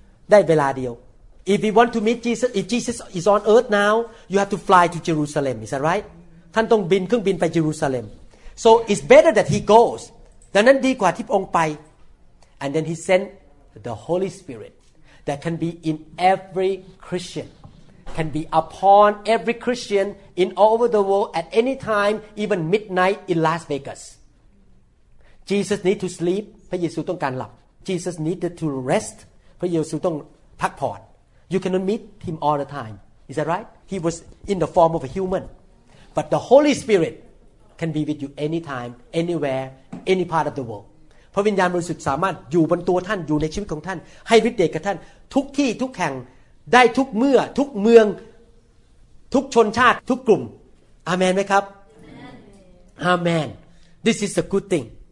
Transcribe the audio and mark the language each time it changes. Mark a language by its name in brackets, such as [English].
[Thai] ได้เวลาเดียว [English] If you want to meet Jesus if Jesus is on earth now you have to fly to Jerusalem is that right [Thai] ท่านต้องบินเครื่องบินไปเยรูซาเล็ม [English] So it's better that he goes [Thai] ดังนั้นดีกว่าที่พระองค์ไป [English] And then he sentThe Holy Spirit that can be in every Christian, can be upon every Christian in all over the world at any time, even midnight in Las Vegas. Jesus needed to sleep. [Thai] พระเยซูต้องการหลับ [English] Jesus needed to rest. [Thai] พระเยซูต้องพักผ่อน [English] You cannot meet him all the time. Is that right? He was in the form of a human. But the Holy Spirit can be with you anytime, anywhere, any part of the world. [Thai] พระวิญญาณบริสุทธิ์สามารถอยู่บนตัวท่านอยู่ในชีวิตของท่านให้ฤทธิ์เดชกับท่านทุกที่ทุกแห่งได้ทุกเมื่อทุกเมืองทุกชนชาติทุกกลุ่มอาเมนไหมครับอาเมน [English] This is a good thing.